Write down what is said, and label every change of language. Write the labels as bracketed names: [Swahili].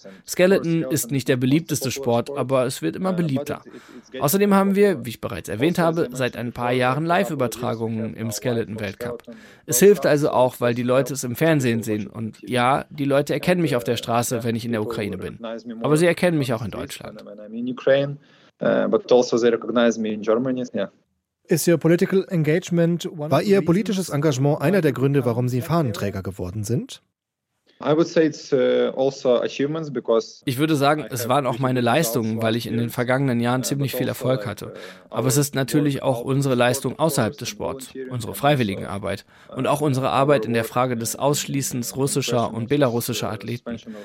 [German] Skeleton ist nicht der beliebteste Sport, aber es wird immer beliebter. Außerdem haben wir, wie ich bereits erwähnt habe, seit ein paar Jahren Live-Übertragungen im Skeleton-Weltcup. Es hilft also auch, weil die Leute es im Fernsehen sehen. Und ja, die Leute erkennen mich auf der Straße, wenn ich in der Ukraine bin. Aber sie erkennen mich auch in Deutschland. [English] But also they recognize me in Germany. Yeah. Is your political engagement [German] war Ihr politisches Engagement einer der Gründe, warum Sie Fahnenträger geworden sind? Ich würde sagen, es waren auch meine Leistungen, weil ich in den vergangenen Jahren ziemlich viel Erfolg hatte. Aber es ist natürlich auch unsere Leistung außerhalb des Sports, unsere Freiwilligenarbeit und auch unsere Arbeit in der Frage des Ausschließens russischer und belarussischer Athleten.